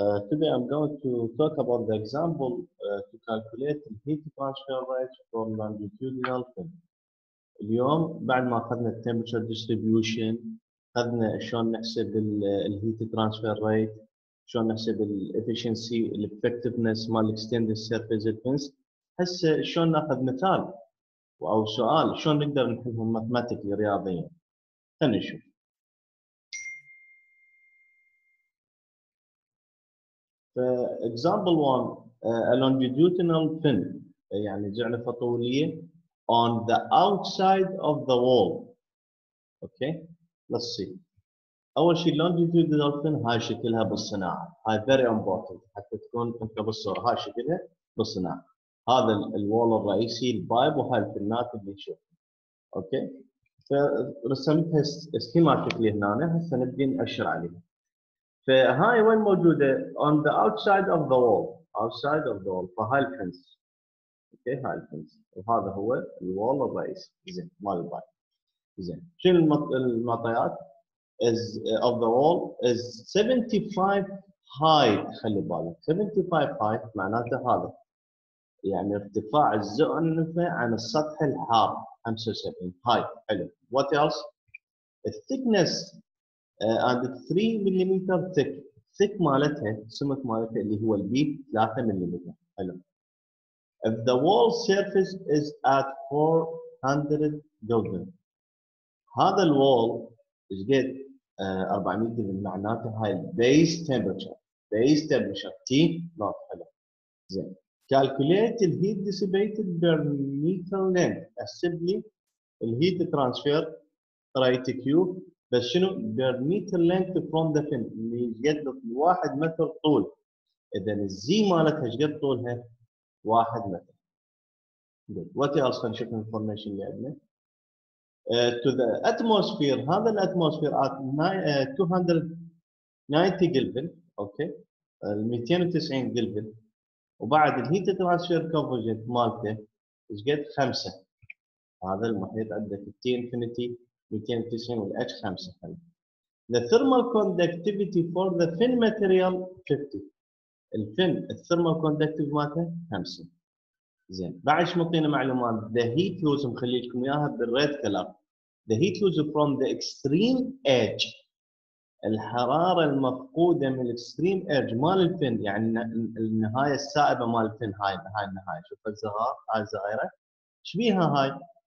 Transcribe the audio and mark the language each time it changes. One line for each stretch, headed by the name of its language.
English: Today I'm going to talk about the example to calculate the heat transfer rate from longitudinal film.
Arabic: اليوم بعد ما اخذنا
English: temperature distribution
Arabic: اخذنا شلون نحسب الهيت ترانسفير ريت شلون نحسب الافشنسي الافكتفنس مال الاكستندد سيرفيس ديفنس هسه شلون ناخذ مثال او سؤال شلون نقدر نحلهم ماثماتيكلي رياضيا خلينا نشوف
English: فاكزامبل 1 longitudinal fin
Arabic: يعني زعنفه طوليه
English: on the outside of the wall. Okay, let's see.
Arabic: أول شيء longitudinal fin هاي شكلها بالصناعة. هاي
English: very important
Arabic: حتى تكون أنت بالصورة. هاي شكلها بالصناعة. هذا الوول الرئيسي البايب وهاي الفنات اللي نشوفها. Okay, فرسمتها سكيماتيكلي هنا هسه نبدي نأشر عليها. فهاي وين موجودة؟
English: on the outside of the wall. Outside of the wall. فهاي الفنس.
Arabic: اوكي هاي الفنس وهذا هو الوول الرئيسي زين مال الباي زين شنو المعطيات؟ از اوف ذا وول از 75 هايت خلي بالك 75 هايت معناته هذا يعني ارتفاع الزعنفه عن السطح الحار 75 هايت حلو وات ايلس؟ الثيكنس اند 3 ملم ثيك ثيك مالتها السمك مالتها اللي هو البي 3 ملم حلو
English: If the wall surface is at 400 Kelvin,
Arabic: هذا الوول
English: is get 400 Kelvin
Arabic: معناته هاي
English: base temperature. Base temperature T not
Arabic: حلو. زين.
English: Calculate the heat dissipated per meter length.
Arabic: احسب لي ال
English: heat transfer rate Q
Arabic: بس شنو؟
English: Per meter length from the fin.
Arabic: اللي قد واحد متر طول. اذا الزي مالتها ايش قد طولها؟ واحد متر.
English: Good. What else can show information
Arabic: اللي عندنا؟
English: To the atmosphere,
Arabic: هذا الاتموسفير
English: at 290 kelvin,
Arabic: اوكي؟ 290 كلفن. وبعد الهيت ترانسفير كوفيجنت مالته ايش قد؟ خمسة. هذا المحيط عندك T infinity 290 والH خمسة.
English: The thermal conductivity for the fin material 50.
Arabic: الفن الثيرمال كوندكتيف مالته 5 زين بعد ايش معطينا معلومات ذا هيت لوز مخلي لكم اياها بالريد كلر ذا هيت لوز فروم ذا اكستريم ايدج الحراره المفقوده من الاكستريم ايدج مال الفن يعني النهايه السائبه مال الفن هاي هاي النهايه شوف الزهار هاي الزغيره ايش بيها هاي